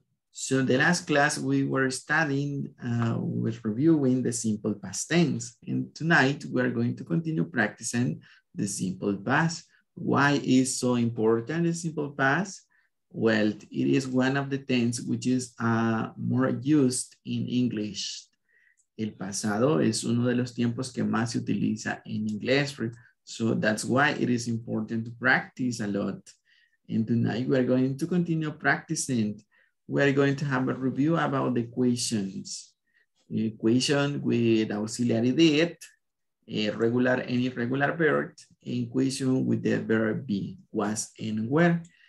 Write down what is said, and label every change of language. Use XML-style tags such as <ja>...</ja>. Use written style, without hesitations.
<en>So the last class we were studying, was reviewing the simple past tense. And tonight we're going to continue practicing the simple past. Why is so important the simple past? Well, it is one of the tense which is more used in English.</en> <es>El pasado es uno de los tiempos que más se utiliza en inglés.</es> <en>So that's why it is important to practice a lot. And tonight we're going to continue practicing. We are going to have a review about the equations. The equation with auxiliary did, a regular and irregular verb, and equation with the verb be, was and were.</en>